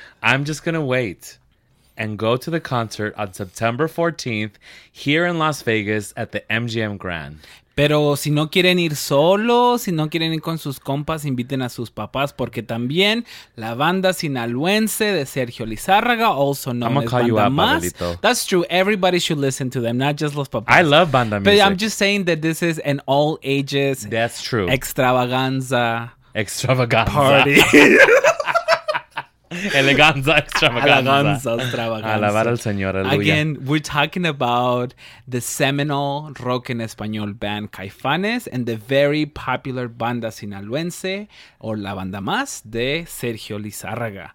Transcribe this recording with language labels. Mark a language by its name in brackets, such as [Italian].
[English] I'm just going to wait and go to the concert on September 14th here in Las Vegas at the MGM Grand. [Spanish] Pero si no quieren ir solos, si no quieren ir con sus compas, inviten a sus papás, porque también la banda sinaloense de Sergio Lizárraga, [English] also known as Banda Más. That's true. Everybody should listen to them, not just [Spanish] los papás. [English] I love banda music. But I'm just saying that this is an all ages. That's true. Extravaganza. Extravaganza. Party. Eleganza, extravaganza. Extravaganza. [Spanish] Alabar al Señor, aleluya. [English] Again, we're talking about the seminal rock en español band Caifanes and the very popular banda sinaloense, or La Banda Más, de Sergio Lizárraga.